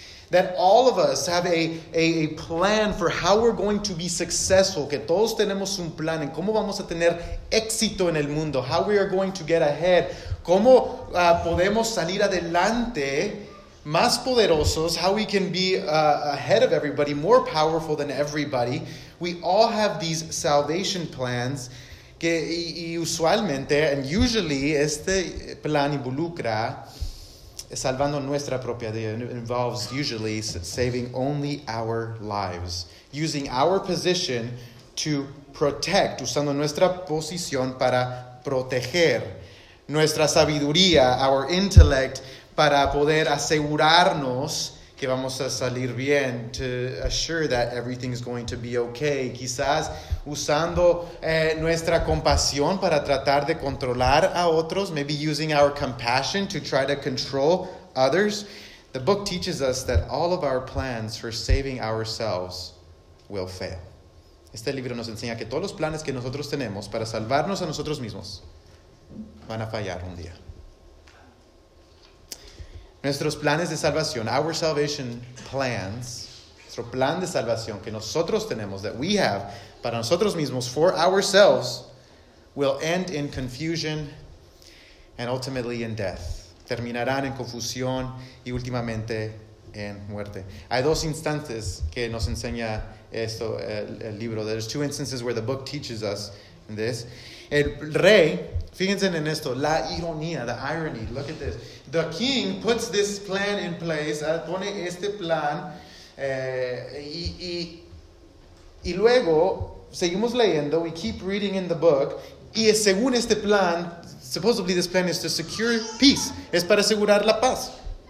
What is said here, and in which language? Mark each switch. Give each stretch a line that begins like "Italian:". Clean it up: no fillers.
English: That all of us have a plan for how we're going to be successful.
Spanish: Que todos tenemos un plan en cómo vamos a tener éxito en el mundo.
English: How we are going to get ahead.
Spanish: Cómo podemos salir adelante más poderosos.
English: How we can be ahead of everybody, more powerful than everybody. We all have these salvation plans.
Spanish: Que y usualmente,
English: and usually,
Spanish: este plan involucra salvando nuestra propia vida.
English: It involves usually saving only our lives. Using our position to protect.
Spanish: Usando nuestra posición para proteger. Nuestra sabiduría,
English: our intellect,
Spanish: para poder asegurarnos que vamos a salir bien.
English: To assure that everything is going to be okay.
Spanish: Quizás usando nuestra compasión para tratar de controlar a otros.
English: Maybe using our compassion to try to control others. The book teaches us that all of our plans for saving ourselves will fail.
Spanish: Este libro nos enseña que todos los planes que nosotros tenemos para salvarnos a nosotros mismos van a fallar un día. Nuestros planes de salvación,
English: our salvation plans,
Spanish: nuestro plan de salvación que nosotros tenemos,
English: that we have
Spanish: para nosotros mismos,
English: for ourselves, will end in confusion and ultimately in death.
Spanish: Terminarán en confusión y últimamente en muerte. Hay dos instantes que nos enseña esto, el libro.
English: There's two instances where the book teaches us this.
Spanish: El rey, fíjense en esto, la ironía,
English: the irony, look at this. The king puts this plan in place,
Spanish: pone este plan, y luego seguimos leyendo,
English: we keep reading in the book,
Spanish: y según este plan,
English: supposedly this plan is to secure peace,
Spanish: es para asegurar la paz.